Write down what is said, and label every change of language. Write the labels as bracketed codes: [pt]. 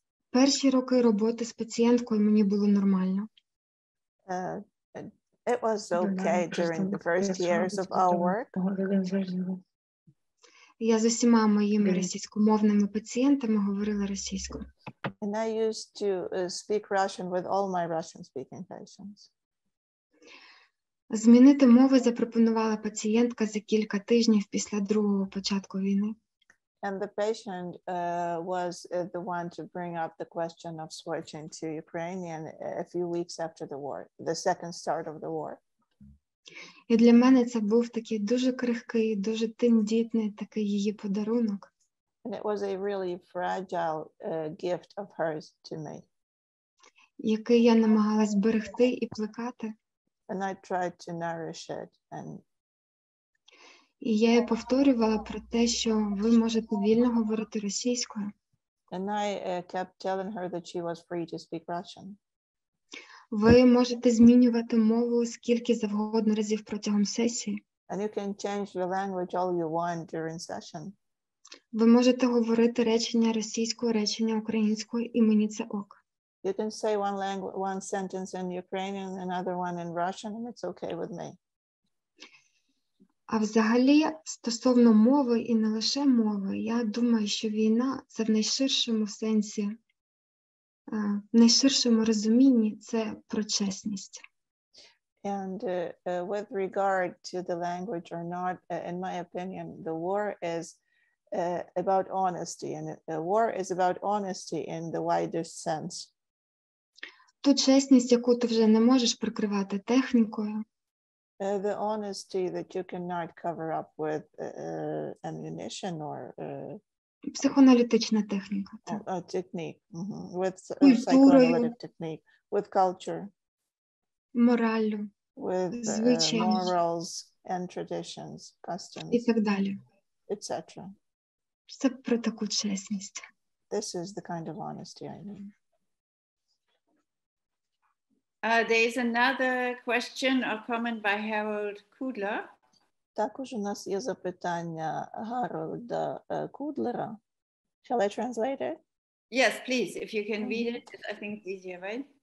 [uk] Перші роки роботи з пацієнткою мені було нормально. [en] It was okay during the first years of our work. [uk] Я з усіма моїми російськомовними пацієнтами говорила російською. [en] And I used to speak Russian with all my Russian-speaking patients. [uk] Змінити мову запропонувала пацієнтка за кілька тижнів після другого початку війни. [en] And the patient was the one to bring up the question of switching to Ukrainian a few weeks after the war, the second start of the war. [uk] І для мене це був такий дуже крихкий, дуже тендітний такий її подарунок. [en] And it was a really fragile gift of hers to me. [uk] Який я намагалась зберегти і плекати. [en] And I tried to nourish it. [uk] І я повторювала про те, що ви можете вільно говорити російською. [en] And I kept telling her that she was free to speak Russian. [uk] Ви можете змінювати мову скільки завгодно разів протягом сесії. [en] And you can change the language all you want during session. [uk] Ви можете говорити речення російською, речення українською, і мені це ок. [en] You can say one sentence in Ukrainian, another one in Russian, and it's okay with me. [uk] А взагалі, стосовно мови і не лише мови, я думаю, що війна – це в найширшому сенсі, в найширшому розумінні – це про чесність. [en] And with regard to the language or not, in my opinion, the war is about honesty, and war is about honesty in the widest sense. [uk] Ту чесність, яку ти вже не можеш прикривати технікою. [en] The honesty that you cannot cover up with ammunition or... [uk] Психоаналітична техніка. [en] Technique. Mm-hmm. With psychoanalytic technique. With culture. [uk] Моралью. [en] With [uk] звичай. [en] Morals and traditions, customs. [uk] І так далі. [en] Etc. [uk] Це про таку чесність. [en] This is the kind of honesty I mean. There is another question or comment by Harold Kudler. [uk] Також у нас є запитання Гарольда Кудлера. [en] Shall I translate it? Yes, please, if you can read it. I think it's easier, right?